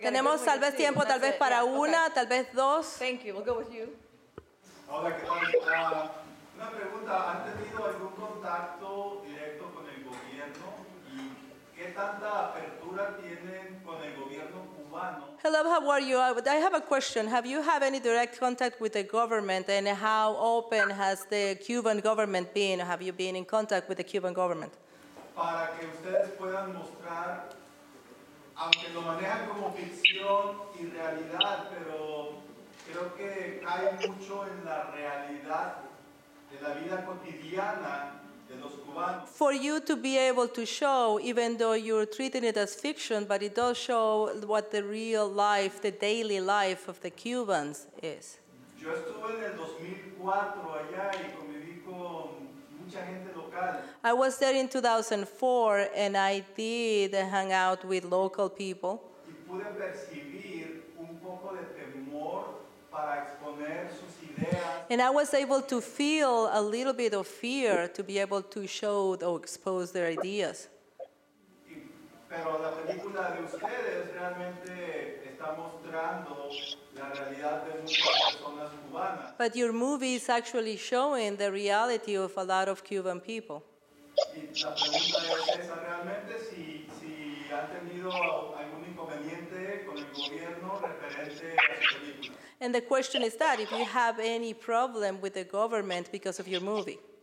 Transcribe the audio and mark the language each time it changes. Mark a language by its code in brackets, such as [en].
[es] tenemos tal vez tiempo, tal vez para yeah, una, okay. Tal vez dos. [en] Thank you. We'll go with you. [es] Hola, ¿qué tal? Una pregunta. ¿Han tenido algún contacto directo con el gobierno? ¿Y qué tanta apertura tienen con el gobierno? [en] Hello, how are you? I have a question. Have you had any direct contact with the government, and how open has the Cuban government been? Have you been in contact with the Cuban government? [es] Para que ustedes puedan mostrar, aunque lo manejan como ficción y realidad, pero creo que cae mucho en la realidad de la vida cotidiana. [en] For you to be able to show, even though you're treating it as fiction, but it does show what the real life, the daily life of the Cubans is. [es] Yo estuve en el 2004 allá y conviví con mucha gente local. [en] I was there in 2004 and I did hang out with local people. [es] Y pude percibir un poco de temor para exponer sus [en] And I was able to feel a little bit of fear to be able to show or expose their ideas. [es] Pero la película de ustedes realmente está mostrando la realidad de muchas personas cubanas. [en] But your movie is actually showing the reality of a lot of Cuban people. [es] Y la pregunta es esa realmente si han tenido algún inconveniente con el gobierno referente a su película. [en] And the question is that, if you have any problem with the government because of your movie.